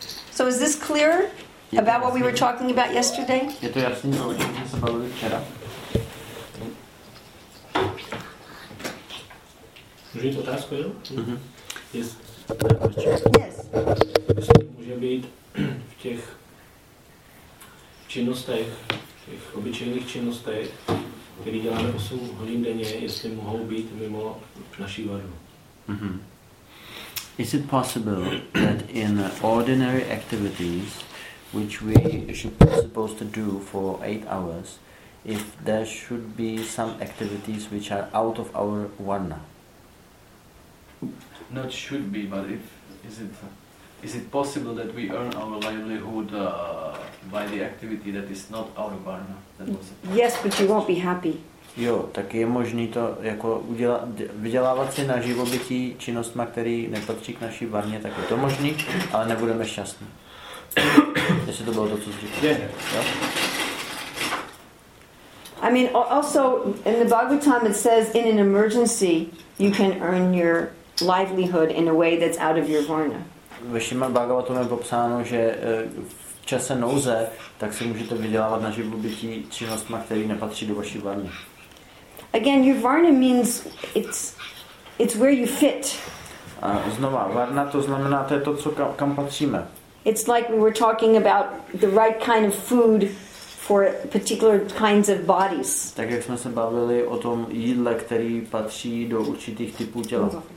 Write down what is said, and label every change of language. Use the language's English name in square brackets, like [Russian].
[English] So is this clear about what we were talking about yesterday? [Czech] Je to jasný, o čem jsme se bavili včera. Můžu jít otázku, jo? [English] Mm-hmm. Yes. [Czech] Jestli může být v těch činnostech, těch obyčejných činnostech, které děláme 8 hodin denně, jestli mohou být mimo naší varnu. Mm-hmm. [English] Is it possible that in ordinary activities, which we should be supposed to do for 8 hours, if there should be some activities which are out of our varna? Not should be, but if is it possible that we earn our livelihood by the activity that is not out of varna? Yes, but you won't be happy. [Czech] Jo, tak je možný to jako vydělávat si na živobytí činnostma, který nepatří k naší varně, tak je to možný, ale nebudeme šťastní. Jestli to bylo to, co jsi říkal. [English] I mean, also in the Bhagavatam it says in an emergency you can earn your livelihood in a way that's out of your varna. [Czech] Ve Šrimad Bhagavatam je popsáno, že v čase nouze tak si můžete vydělávat na živobytí činnostma, který nepatří do vaší varny. [English] Again, your varna means it's where you fit. [Czech] A znova, varna to znamená, to je to, co kam patříme. [English] It's like we were talking about the right kind of food for particular kinds of bodies. [Czech] Tak jak jsme se bavili o tom jídle, který patří do určitých typů těla.